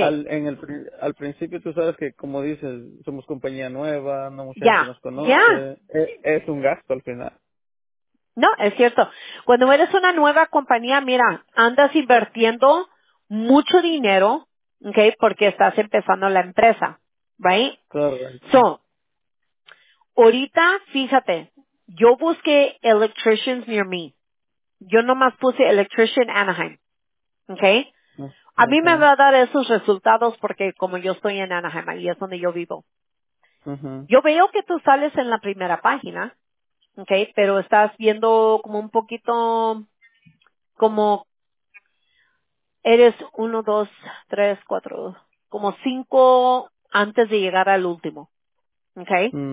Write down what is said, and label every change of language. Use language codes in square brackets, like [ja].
[es] al principio tú sabes que, como dices, somos compañía nueva, no mucha [en] yeah. [es] gente nos conoce, [en] yeah. [es] es un gasto al final. No, es cierto. Cuando eres una nueva compañía, mira, andas invirtiendo mucho dinero, okay, porque estás empezando la empresa, right? Correcto. So, ahorita, fíjate, yo busqué electricians near me. Yo nomás puse electrician Anaheim, okay. A mí me va a dar esos resultados porque como yo estoy en Anaheim, ahí es donde yo vivo. Uh-huh. Yo veo que tú sales en la primera página, okay, pero estás viendo como un poquito, como eres 1, 2, 3, 4, como 5 antes de llegar al último, okay.